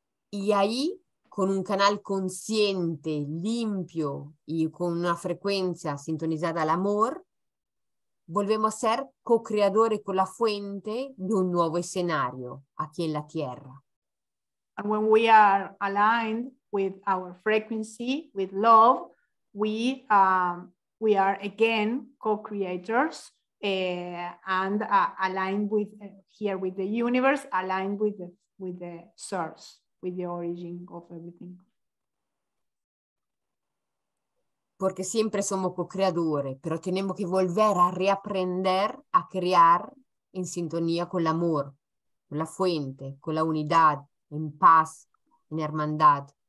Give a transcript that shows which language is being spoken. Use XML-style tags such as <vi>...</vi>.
<es>Y ahí, con un canal consciente, limpio y con una frecuencia sintonizada al amor, volvemos a ser co-creadores con la fuente de un nuevo escenario aquí en la Tierra.</es> <en>And when we are aligned with our frequency, with love, we are again co-creators and aligned with here with the universe, aligned with the source, with the origin of everything.</en> <es>Porque siempre somos co-creadores, pero tenemos que volver a reaprender a crear en sintonía con el amor, con la fuente, con la unidad, en paz, en hermandad.</es>